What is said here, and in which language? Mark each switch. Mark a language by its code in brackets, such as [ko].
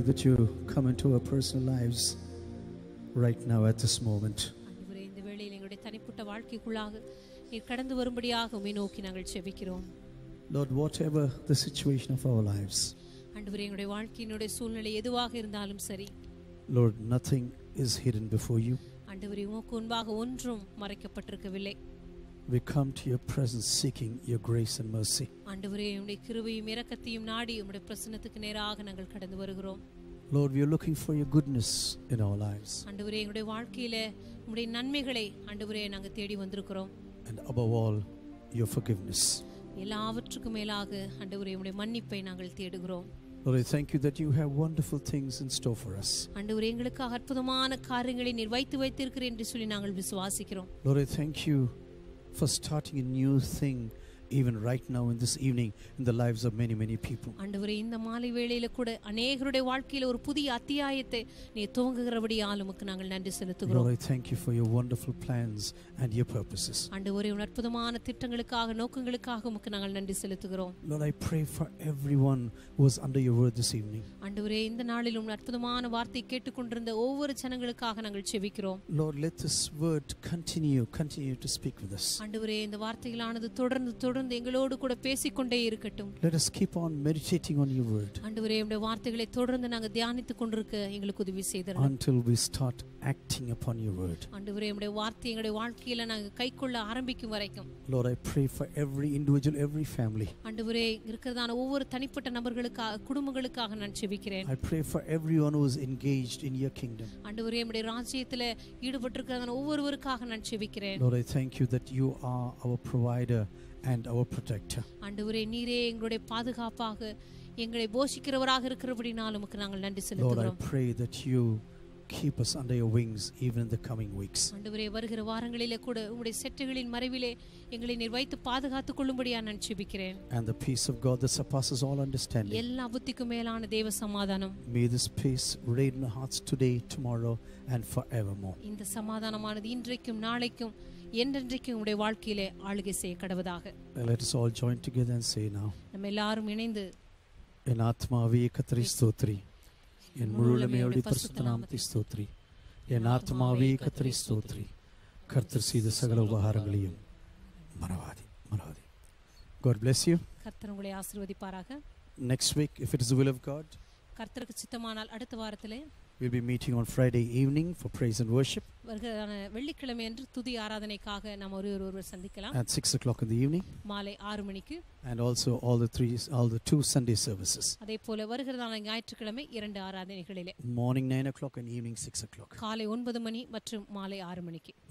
[en] You come into our personal lives right now at this moment. [ta] அன்பரே இந்த வேளையில் எங்களுடைய தனிப்பட்ட வாழ்க்கைக்குள்ளாக நீர் கடந்து வரும்படியாக உம்மை நோக்கி நாங்கள் ஜெபிக்கிறோம். [en] Lord, whatever the situation of our lives. [ta] அன்பரே எங்களுடைய வாழ்க்கையினுடைய சூழ்நிலை எதுவாக இருந்தாலும் சரி. [en] Lord, nothing is hidden before you. [ta] அன்பரே உமக்கு முன்பாக ஒன்றும் மறைக்கப்பட்டிருக்கவில்லை. [en] We come to your presence seeking your grace and mercy. [ta] ஆண்டவரே உம்முடைய கிருபையும் இரக்கத்தையும் நாடி உம்முடைய பிரசன்னத்துக்கு நேராக நாங்கள் கடந்து வருகிறோம். [en] Lord, we are looking for your goodness in our lives. [ta] ஆண்டவரே எங்களுடைய வாழ்க்கையிலே உம்முடைய நன்மைகளை ஆண்டவரே நாங்கள் தேடி வந்திருக்கிறோம். [en] And above all, your forgiveness. [ta] எல்லாவற்றுக்கும் மேலாக ஆண்டவரே உம்முடைய மன்னிப்பை நாங்கள் தேடுகிறோம். [en] Lord, I thank you that you have wonderful things in store for us. [ta] ஆண்டவரே எங்களுக்காக அற்புதமான காரியங்களை நீர் வைத்து வைத்திருக்கிறீர் என்று சொல்லி நாங்கள் விசுவாசிக்கிறோம். [en] Lord, I thank you for starting a new thing even right now in this evening in the lives of many people. [ta] ஆண்டவரே இந்த மாலை வேளையில கூட அநேகருடைய வாழ்க்கையில ஒரு புதிய அத்தியாயத்தை நீ துவங்குகிறபடியால் உமக்கு நாங்கள் நன்றி செலுத்துகிறோம். [en] Lord, I thank you for your wonderful plans and your purposes. [ta] ஆண்டவரே உன் அற்புதமான திட்டங்களுக்காக நோக்கங்களுக்காக உமக்கு நாங்கள் நன்றி செலுத்துகிறோம். [en] Lord, I pray for everyone who was under your word this evening. [ta] ஆண்டவரே இந்த நாளில் உன் அற்புதமான வார்த்தை கேட்டுக்கொண்டிருந்த ஒவ்வொரு ஜனங்களுக்காக நாங்கள் ஜெபிக்கிறோம். [en] Lord, let this word continue to speak with us. [ta] ஆண்டவரே இந்த வார்த்தைகளானது தொடர்ந்து எங்களோடு கூட பேசிக்கொண்டே இருக்கட்டும். [en] Let us keep on meditating on your word. [ta] ஆண்டவரே உம்முடைய வார்த்தைகளை தொடர்ந்து நாங்கள் தியானித்துக் கொண்டிருக்க எங்களுக்கு உதவி செய்தீர்கள். [en] Until we start acting upon your word. [ta] ஆண்டவரே உம்முடைய வார்த்தையை எங்களுடைய வாழ்க்கையில நாங்கள் கைக்கொள்ள ஆரம்பிக்கும் வரைக்கும். [en] Lord, I pray for every individual, every family. [ta] ஆண்டவரே இருக்கிறதான ஒவ்வொரு தனிப்பட்ட நபர்களுக்காக குடும்பங்களுக்காக நான் ஜெபிக்கிறேன். [en] I pray for everyone who is engaged in your kingdom. [ta] ஆண்டவரே உம்முடைய ராஜ்யத்தில் ஈடுபட்டிருக்கிறதான ஒவ்வொருவருக்காக நான் ஜெபிக்கிறேன். [en] Lord, I thank you that you are our provider and our protector. [ta] ஆண்டவரே நீரே எங்களுடைய பாதுகாப்பாக எங்களை போஷிக்கிறவராக இருக்கிறபடினால் உமக்கு நாங்கள் நன்றி செலுத்துகிறோம். [en] Lord, I pray that you keep us under your wings even in the coming weeks. [ta] ஆண்டவரே வருகிற வாரங்களில கூட உம்முடைய செட்டுகளின் மறைவிலே எங்களை நீர் வைத்து பாதுகாத்துக் கொள்ளும்படியா நான் ஜெபிக்கிறேன். [en] And the peace of God that surpasses all understanding. [ta] எல்லா புத்திக்கும் மேலான தேவ சமாதானம். [en] May this peace reign in our hearts today, tomorrow and forevermore. [ta] இந்த சமாதானமானது இன்றைக்கும் நாளைக்கும் என்றென்றைக்கும் உம்முடைய வாழ்க்கையிலே ஆளுகை செய்யக்கடவதாக. [en] Let us all join together and say now. [ta] நம் எல்லாரும் இணைந்து என் ஆத்மாவே கர்த்தரை ஸ்தோத்திரி. என் முழுமையோடு பரிசுத்த நாமத்தை ஸ்தோத்திரி. என் ஆத்மாவே கர்த்தரை ஸ்தோத்திரி. கர்த்தர் செய்த சகல உபகாரங்களையும் மறவாதே, மறவாதே. [en] God bless you. [ta] கர்த்தர் உங்களை ஆசீர்வதிப்பாராக. [en] Next week, if it is the will of God, [ta] கர்த்தருக்கு சித்தமானால் அடுத்த வாரத்திலே [en] we'll be meeting on Friday evening for praise and worship. [ta] வருகிற வெள்ளிக்கிழமை அன்று துதி ஆராதனைக்காக நாம் ஒருவர் சந்திக்கலாம். [en] At 6:00 in the evening. [ta] மாலை 6 மணிக்கு. [en] And also all the two Sunday services. [ta] அதே போல வருகிற ஞாயிற்றுக்கிழமை இரண்டு ஆராதனைகளிலே. [en] Morning 9:00 and evening 6:00. [ta] காலை 9 மணி மற்றும் மாலை 6 மணிக்கு.